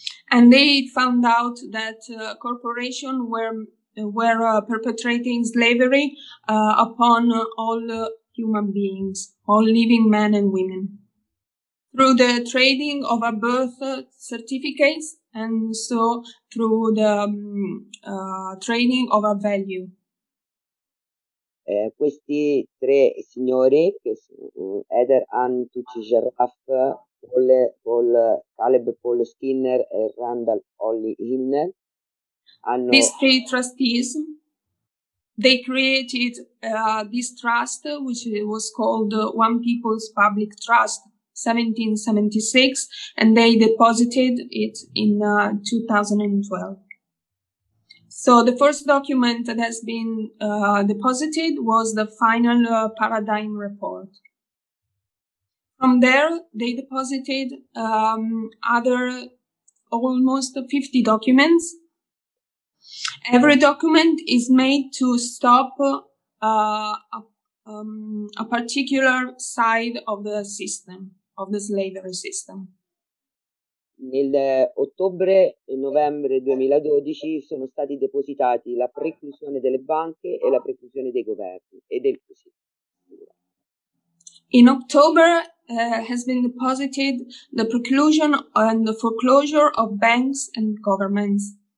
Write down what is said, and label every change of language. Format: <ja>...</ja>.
<en>And they found out that corporations were perpetrating slavery upon all human beings, all living men and women, through the trading of our birth certificates and so through the trading of our value.</en> <it>Questi tre signori, che sono Heather Ann Tucci Giraff, Paul Caleb Paul Skinner e Randall Holly Hinner, hanno...</it> <en>These three trustees, they created this trust, which was called One People's Public Trust, 1776, and they deposited it in 2012. So the first document that has been deposited was the final paradigm report. From there, they deposited other almost 50 documents. Every document is made to stop a particular side of the system, of the slavery system.</en> <it>Nel ottobre e novembre 2012 sono stati depositati la preclusione delle banche e la preclusione dei governi e del così.</it> <en>In October, has been deposited the preclusion and the foreclosure of banks and governments.</en>